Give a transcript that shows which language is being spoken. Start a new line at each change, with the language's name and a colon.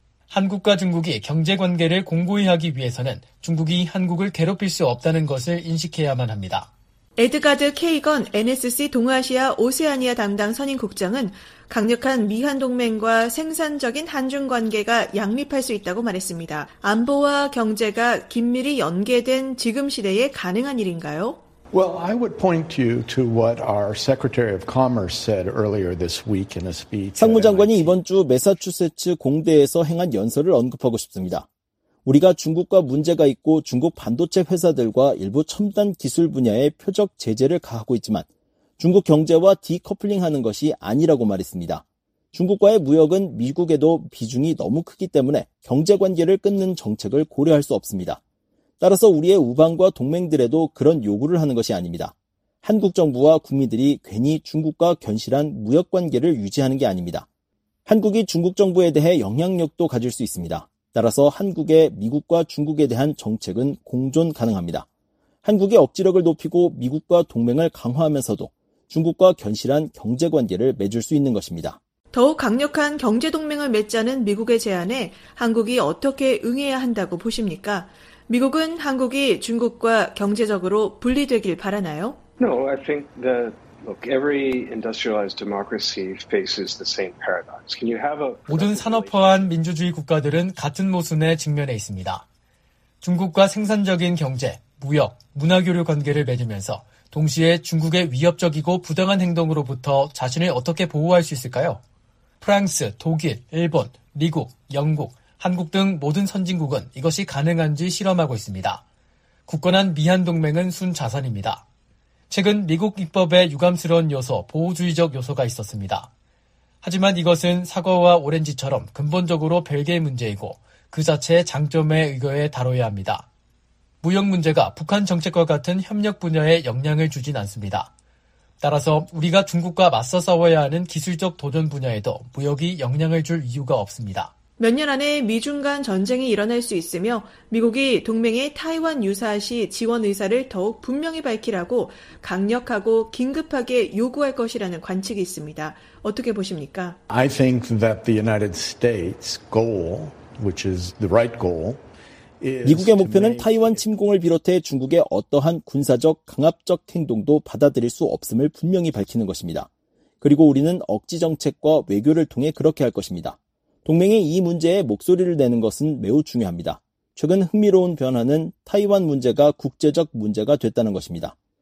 Korean: 한국과 중국이 경제관계를 공고히 하기 위해서는 중국이 한국을 괴롭힐 수 없다는 것을 인식해야만 합니다. 에드가드 케이건 NSC 동아시아 오세아니아 담당 선임 국장은 강력한 미한 동맹과 생산적인 한중 관계가 양립할 수 있다고 말했습니다. 안보와 경제가 긴밀히 연계된 지금 시대에 가능한 일인가요?
English: Well, I would point you to what our Secretary of Commerce said earlier this week in a speech.
Korean: 상무장관이 이번 주 매사추세츠 공대에서 행한 연설을 언급하고 싶습니다. 우리가 중국과 문제가 있고 중국 반도체 회사들과 일부 첨단 기술 분야에 표적 제재를 가하고 있지만 중국 경제와 디커플링하는 것이 아니라고 말했습니다. 중국과의 무역은 미국에도 비중이 너무 크기 때문에 경제관계를 끊는 정책을 고려할 수 없습니다. 따라서 우리의 우방과 동맹들에도 그런 요구를 하는 것이 아닙니다. 한국 정부와 국민들이 괜히 중국과 견실한 무역관계를 유지하는 게 아닙니다. 한국이 중국 정부에 대해 영향력도 가질 수 있습니다. 따라서 한국의 미국과 중국에 대한 정책은 공존 가능합니다. 한국의 억지력을 높이고 미국과 동맹을 강화하면서도 중국과 견실한 경제관계를 맺을 수 있는 것입니다. 더욱 강력한 경제 동맹을 맺자는 미국의 제안에 한국이 어떻게 응해야 한다고 보십니까? 미국은 한국이 중국과 경제적으로 분리되길 바라나요?
English: No, I think that look, every industrialized democracy faces the same paradox. Can you have a
Korean: 모든 산업화한 민주주의 국가들은 같은 모순에 직면해 있습니다. 중국과 생산적인 경제, 무역, 문화 교류 관계를 맺으면서 동시에 중국의 위협적이고 부당한 행동으로부터 자신을 어떻게 보호할 수 있을까요? 프랑스, 독일, 일본, 미국, 영국, 한국 등 모든 선진국은 이것이 가능한지 실험하고 있습니다. 굳건한 미한 동맹은 순자산입니다. 최근 미국 입법에 유감스러운 요소, 보호주의적 요소가 있었습니다. 하지만 이것은 사과와 오렌지처럼 근본적으로 별개의 문제이고 그 자체의 장점에 의거해 다뤄야 합니다. 무역 문제가 북한 정책과 같은 협력 분야에 영향을 주진 않습니다. 따라서 우리가 중국과 맞서 싸워야 하는 기술적 도전 분야에도 무역이 영향을 줄 이유가 없습니다. 몇 년 안에 미중 간 전쟁이 일어날 수 있으며 미국이 동맹의 타이완 유사시 지원 의사를 더욱 분명히 밝히라고 강력하고 긴급하게 요구할 것이라는 관측이 있습니다. 어떻게 보십니까?
English: I think that the United States goal, which is the right goal,
Korean: 미국의 목표는 타이완 침공을 비롯해 중국의 어떠한 군사적, 강압적 행동도 받아들일 수 없음을 분명히 밝히는 것입니다. 그리고 우리는 억지 정책과 외교를 통해 그렇게 할 것입니다. 동맹의 이 문제에 목소리를 내는 것은 매우 중요합니다. 최근 흥미로운 변화는 타이완 문제가 국제적 문제가 됐다는 것입니다.